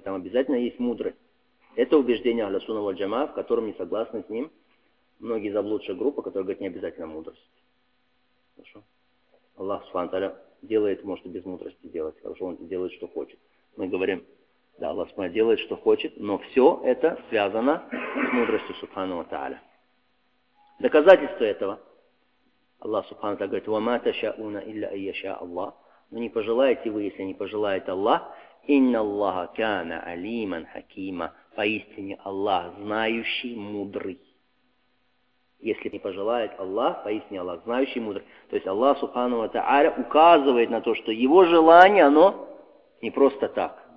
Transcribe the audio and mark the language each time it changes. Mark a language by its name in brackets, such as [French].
[Russian] Там обязательно есть мудрость. Это убеждение Ахля Сунна валь Джамаа, в котором не согласны с ним многие заблудшие группы, которые говорят, не обязательно мудрость. Хорошо? Аллах Субхану делает, может, и без мудрости делать, хорошо, Он делает, что хочет. Мы говорим, да, Аллах Субхану делает, что хочет, но все это связано с мудростью Субхану ва Тааля. Доказательство этого. Аллах Субхану Тааля говорит, [Arabic] وَمَا تَشَاءُونَ إِلَّا أَيَّشَاءَ اللَّهُ. [Russian] Но не пожелаете вы, если не пожелает Аллах. [Arabic] إِنَّ اللَّهَ كَانَ عَلِيمًا حَكِيمًا. [Russian] Поистине Аллах, знающий, мудрый. Если не пожелает Аллах, поистине Аллах, знающий, мудрый. То есть Аллах Субхану ва Тааля указывает на то, что его желание, оно не просто так.